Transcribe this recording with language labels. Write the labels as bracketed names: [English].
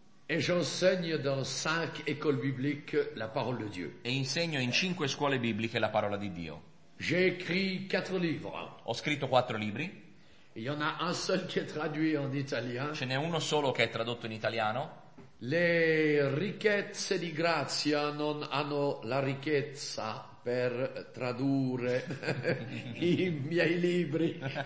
[French] Et j'enseigne dans 5 écoles bibliques la parole de Dieu. [Italian] E insegno in 5 scuole bibliche la parola di Dio. [French] J'ai écrit 4 livres. [Italian] Ho scritto 4 libri. [French] Il y en a un seul qui est traduit en italien. [Italian] Ce n'è uno solo che è tradotto in italiano. Le ricchezze di grazia non hanno la ricchezza per tradurre i miei libri.